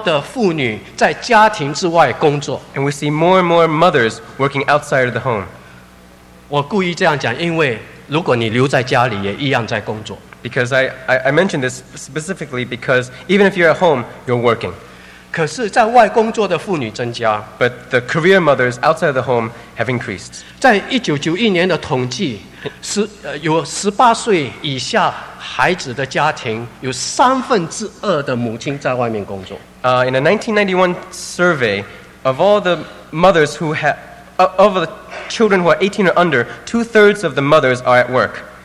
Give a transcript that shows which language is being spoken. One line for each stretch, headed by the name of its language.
Chinese: 我们看到普遍的更多的妇女在家庭之外工作。
English: And we see more and more mothers working outside of the home.
Chinese: 我故意这样讲, 因为如果你留在家里也一样在工作。
English: Because I mentioned this specifically because even if you're at home, you're working.
Chinese: 可是在外工作的妇女增加,
English: but the career mothers outside of the home have increased.
Chinese: 在1991年的统计, 18岁以下孩子的家庭,
English: in a 1991 survey, of all the mothers who have, of the children who are 18 or under, two-thirds of the mothers are at work.